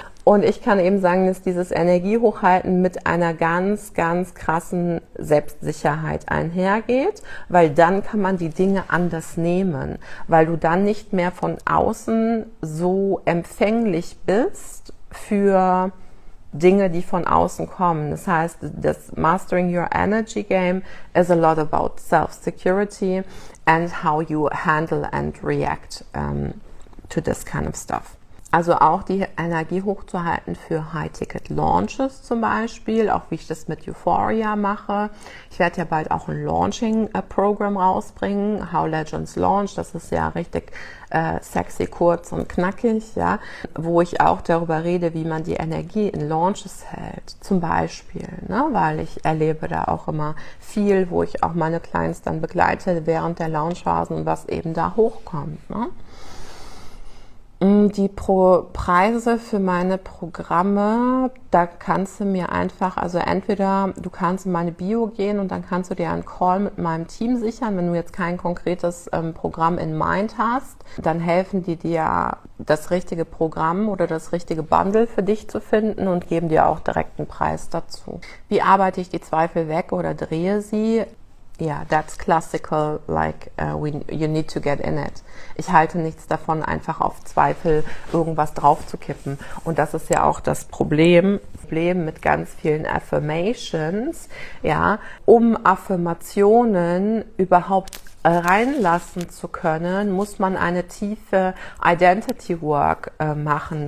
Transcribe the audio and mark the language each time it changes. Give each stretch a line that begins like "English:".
German: Und ich kann eben sagen, dass dieses Energiehochhalten mit einer ganz, ganz krassen Selbstsicherheit einhergeht, weil dann kann man die Dinge anders nehmen, weil du dann nicht mehr von außen so empfänglich bist für Dinge, die von außen kommen. Das heißt, das
English: Mastering Your Energy Game is a lot about self-security and how you handle and react to this kind of stuff.
German: Also auch die Energie hochzuhalten für High-Ticket-Launches zum Beispiel, auch wie ich das mit Euphoria mache. Ich werde ja bald auch ein Launching-Programm rausbringen, How Legends Launch, das ist ja richtig sexy, kurz und knackig, ja, wo ich auch darüber rede, wie man die Energie in Launches hält, zum Beispiel, ne, weil ich erlebe da auch immer viel, wo ich auch meine Clients dann begleite während der Launchphasen und was eben da hochkommt, ne. Die Preise für meine Programme, da kannst du mir einfach, also entweder du kannst in meine Bio gehen und dann kannst du dir einen Call mit meinem Team sichern, wenn du jetzt kein konkretes Programm in Mind hast, dann helfen die dir, das richtige Programm oder das richtige Bundle für dich zu finden und geben dir auch direkt einen Preis dazu. Wie arbeite ich die Zweifel weg oder drehe sie?
English: Ja, yeah, that's classical, like you need to get in it.
German: Ich halte nichts davon, einfach auf Zweifel irgendwas draufzukippen. Und das ist ja auch das Problem mit ganz vielen Affirmations. Ja, um Affirmationen überhaupt reinlassen zu können, muss man eine tiefe Identity Work machen.